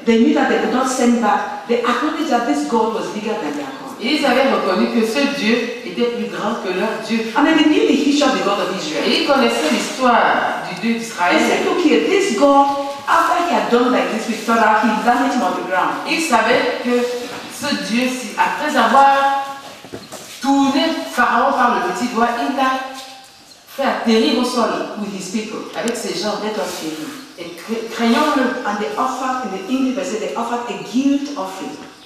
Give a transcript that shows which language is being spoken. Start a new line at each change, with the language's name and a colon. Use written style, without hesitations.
English: They knew that they could not send back. They acknowledged that this God was bigger than their God.
French: Ils avaient reconnu que ce Dieu était plus grand que leur Dieu.
English: And they knew the history of the God of Israel.
French: Ils connaissaient l'histoire du Dieu d'Israël.
English: They said, okay, this God, after he had done like this with Pharaoh, he vanished him on the ground.
French: Ils savaient que ce Dieu-ci, après avoir tourné Pharaon par le petit doigt, il a fait atterrir au sol
English: with his people,
French: avec ses gens, d'être offert. Et craignons-le.
English: And they offered, in the English verset, they offered a guilt offering.